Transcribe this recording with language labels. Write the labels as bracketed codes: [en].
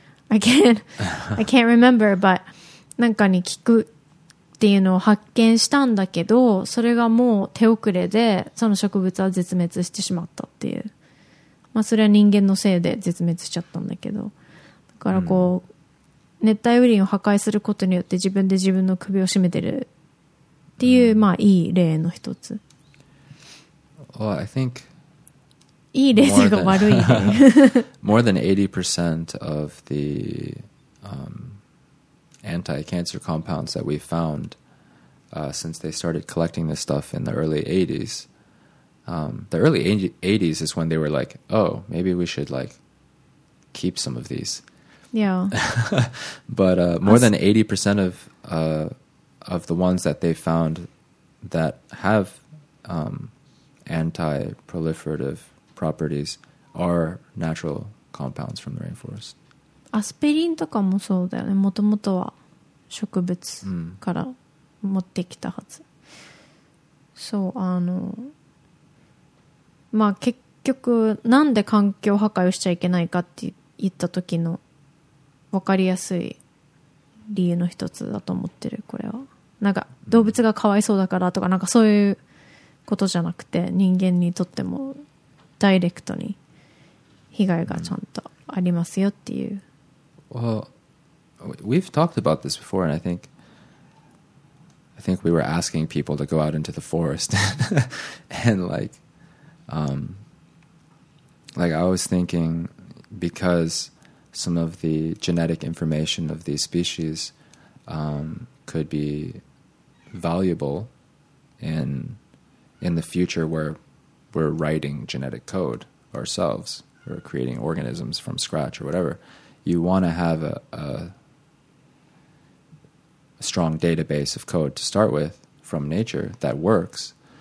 [en] I can't remember, but [ja] なんかに効くっていうのを発見したんだけど、それがもう手遅れでその植物は絶滅してしまったっていう。まあそれは人間のせいで絶滅しちゃったんだけど、だからこう、熱帯雨林を破壊することによって自分で自分の首を絞めてるっていう、まあいい例の一つ。 [en] Well, I think More than 80% of the anti-cancer compounds that we've found since they started collecting this stuff in the early 80s. The early 80s is when they were like, oh, maybe we should like keep some of these. Yeah. But more than 80% of the ones that they found that have anti-proliferative properties are natural compounds from the rainforest. [ja] アスピリンとかもそうだよね。もともとは植物から持ってきたはず。そう、まあ結局なんで環境破壊をしちゃいけないかって言った時の分かりやすい理由の一つだと思ってる。これはなんか動物がかわいそうだからとか、なんかそういうことじゃなくて、人間にとってもダイレクトに被害がちゃんとありますよっていう。 [en] Well, we've talked about this before, and I think we were asking people to go out into the forest and like I was thinking, because some of the genetic information of these species could be valuable in the future where we're writing genetic code ourselves or creating organisms from scratch or whatever, you want to have a strong database of code to start with from nature that works.